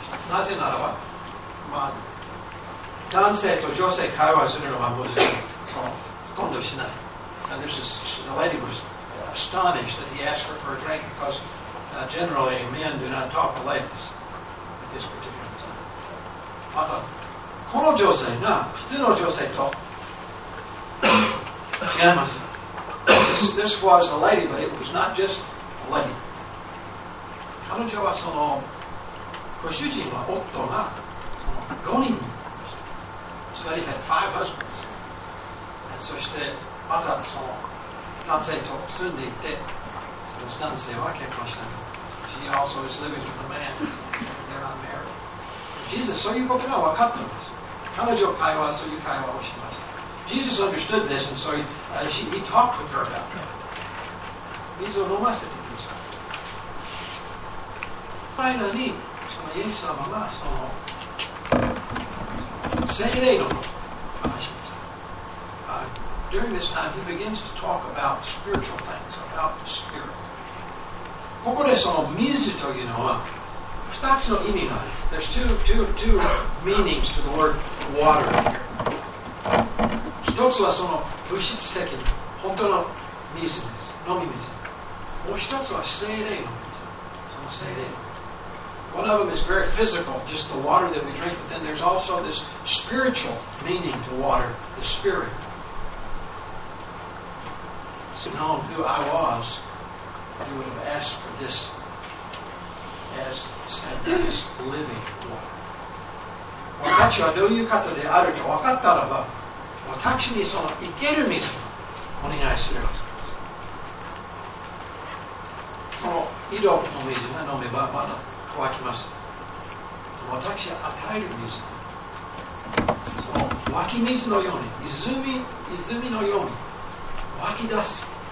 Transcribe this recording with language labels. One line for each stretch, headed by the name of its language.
Japanese: なぜならば、まあ、男性と女性会話するのはもちろん、ほとんどしない。
English: And this is, the lady was astonished that he asked her for a drink because generally men do not talk to ladies at this particular time.
Japanese: また、この女性が普通の女性と違います。
English: This was a lady, but it was not just a lady.
Japanese: 彼女はそのご主人は夫が5人つまり
English: had five husbands
Japanese: そしてまたその男性と住んでいてその男性は結婚した
English: She also is living with a man they're not married
Japanese: Jesus そういうことが分かったんです彼女会話そういう会話をしました
English: Jesus understood this and so he talked with her about that
Japanese: 水を飲ませてくれました最後にそのイエス様がその聖霊のことを話しました。
English: During this time, he begins to talk about spiritual things, about the spirit.
Japanese: ここでその水というのは2つの意味がある。
English: There's two meanings to the word water here.
Japanese: 1つはその物質的に本当の水です。飲み水。もう1つは聖霊の水。その聖霊の水。
English: One of them is very physical, just the water that we drink, but then there's also this spiritual meaning to water, the spirit. So knowing who I was, you would have asked for this as said, this living water.
Japanese: 私はどういうことであるか分かったらば、私にその生ける水をお願いするはず。その井戸の水が飲めばまだ湧きます。私は与える水。その湧き水のように、泉のように湧き出す。